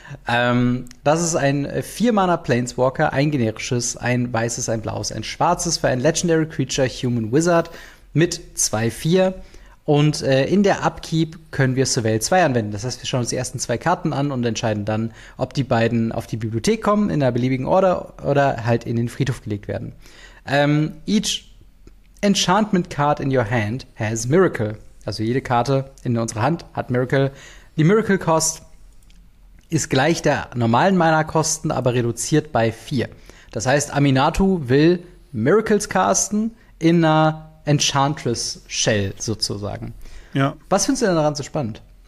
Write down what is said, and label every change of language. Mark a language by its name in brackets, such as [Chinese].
[German] Das ist ein 4-Mana-Planeswalker, ein generisches, ein weißes, ein blaues, ein schwarzes für ein Legendary Creature Human Wizard mit 2/4. Und in der Upkeep können wir Surveil 2 anwenden. Das heißt, wir schauen uns die ersten zwei Karten an und entscheiden dann, ob die beiden auf die Bibliothek kommen, in einer beliebigen Order oder halt in den Friedhof gelegt werden. [English] Each Enchantment Card in your hand has Miracle. [German] Also jede Karte in unserer Hand hat Miracle. Die Miracle Cost ist gleich der normalen Mana-Kosten, aber reduziert bei 4. Das heißt, Aminatu will Miracles casten in einer Enchantress-Shell sozusagen. Ja. Was findest du denn daran so spannend?